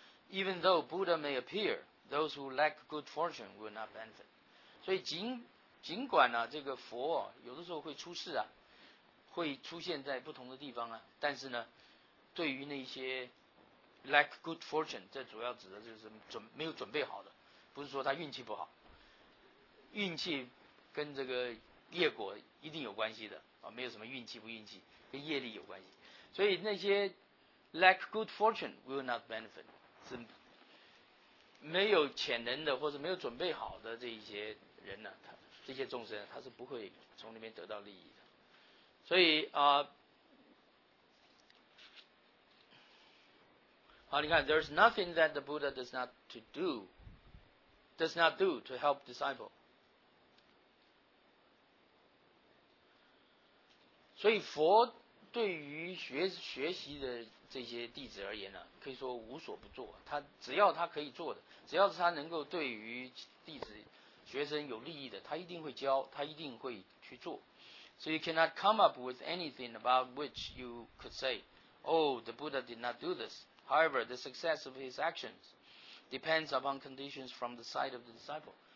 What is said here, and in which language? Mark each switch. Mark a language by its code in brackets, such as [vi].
[en] Even though Buddha may appear, those who lack good fortune will not benefit。 [zh] 所以尽管呢、啊，这个佛、哦、有的时候会出世啊，会出现在不同的地方啊，但是呢。对于那些 [en] lack good fortune， [zh] 这主要指的就是没有准备好的，不是说他运气不好，运气跟这个业果一定有关系的啊，没有什么运气不运气，跟业力有关系。所以那些 [en] lack good fortune will not benefit， [zh] 是没有潜能的或者没有准备好的这一些人呢、啊，他这些众生他是不会从里面得到利益的。所以啊。好，你看 [en] ，there's nothing that the Buddha does not do to help disciple。 [zh] 所以佛对于学习的这些弟子而言呢、啊，可以说无所不做。他只要他可以做的，只要是他能够对于弟子学生有利益的，他一定会教，他一定会去做。 [en] So you cannot come up with anything about which you could say, "Oh, the Buddha did not do this." However, the success of his actions depends upon conditions from the side of the disciple.